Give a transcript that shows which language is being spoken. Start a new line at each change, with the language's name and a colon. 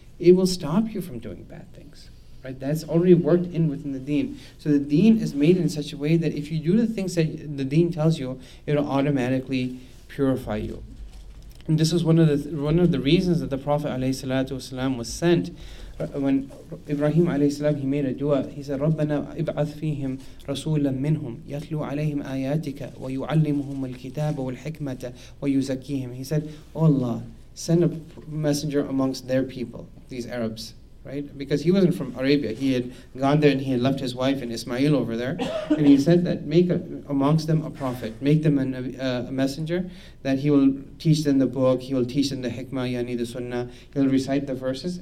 English: It will stop you from doing bad things. Right? That's already worked in within the deen. So the deen is made in such a way that if you do the things that the deen tells you, it'll automatically purify you. And this is one of the reasons that the Prophet alayhi salatu wasalam was sent. When Ibrahim alayhi salam, he made a dua, he said,
Arabic: رَبَّنَا إِبْعَثْ فِيهِمْ رَسُولًا مِّنْهُمْ يَتْلُوا عَلَيْهِمْ آيَاتِكَ وَيُعَلِّمُهُمُ الْكِتَابَ وَالْحِكْمَةَ وَيُزَكِّيهِمْ.
English: He said, oh Allah, send a messenger amongst their people, these Arabs, right? Because he wasn't from Arabia. He had gone there and he had left his wife and Ismail over there. And he said that amongst them a prophet, make them a messenger, that he will teach them the book, he will teach them the hikmah, yani the sunnah, he'll recite the verses.